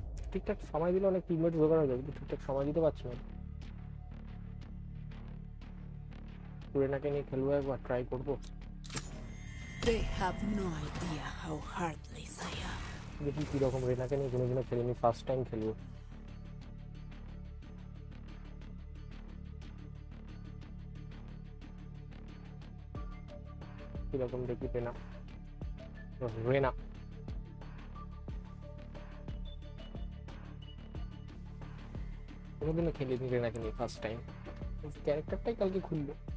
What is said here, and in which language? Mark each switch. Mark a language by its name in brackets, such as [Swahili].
[Bangla] ঠিক ঠাক সময় দিলে অনেক টিমমেট জোগাড় হয়ে যাবে ঠিক ঠাক সময় দিতে পারছি না পুরে নাকে নিয়ে খেলবো একবার ট্রাই করবো [English] They have no idea how heartless I am. [Bangla] দেখি কিরকম রেনাকে নিয়ে ফার্স্ট টাইম খেলবো কিরকম দেখি রেনা কোনোদিনও খেলিনি রেনাকে নিয়ে ফার্স্ট টাইম ক্যারেক্টারটাই কালকে খুললো